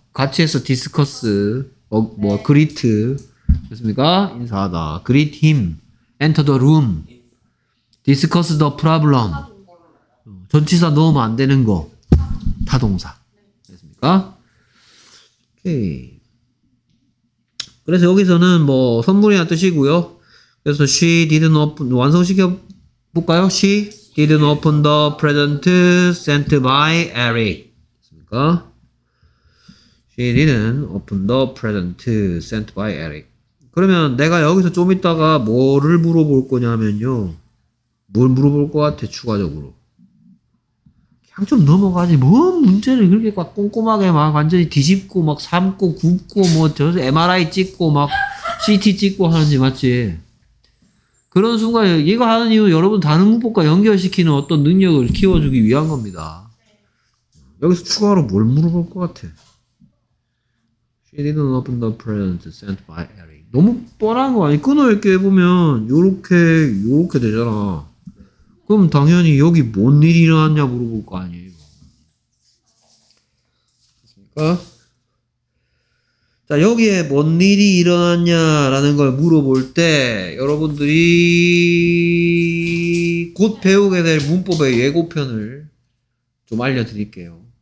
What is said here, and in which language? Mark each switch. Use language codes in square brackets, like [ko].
[ko] 같이 해서 [en] discuss. 뭐 greet. [ko] 됐습니까? 인사하다. [en] Greet him. Enter the room. Discuss the problem. [ko] 전치사 넣으면 안 되는 거. 타동사. 됐습니까? 오케이. 그래서 여기서는 뭐 선물이란 뜻이고요. 그래서 [en] she didn't open [ko] 완성시켜 볼까요? [en] She didn't open the present sent by Eric. [ko] 됐습니까? [en] She didn't open the present sent by Eric. [ko] 그러면 내가 여기서 좀 이따가 뭐를 물어볼 거냐면요. 뭘 물어볼 것 같아 추가적으로. 그냥 좀 넘어가지. 뭔 문제를 그렇게 막 꼼꼼하게 막 완전히 뒤집고 막 삶고 굽고 뭐 저기서 MRI 찍고 막 CT 찍고 하는지 맞지? 그런 순간 얘가 하는 이유는 여러분 다른 문법과 연결시키는 어떤 능력을 키워주기 위한 겁니다. 여기서 추가로 뭘 물어볼 것 같아? [en] She didn't open the present sent by Eric. [ko] 너무 뻔한 거 아니? 끊어 읽게 해보면 요렇게 요렇게 되잖아. 그럼 당연히 여기 뭔 일이 일어났냐 물어볼 거 아니에요. 됐습니까? 자, 여기에 뭔 일이 일어났냐라는 걸 물어볼 때 여러분들이 곧 배우게 될 문법의 예고편을 좀 알려드릴게요.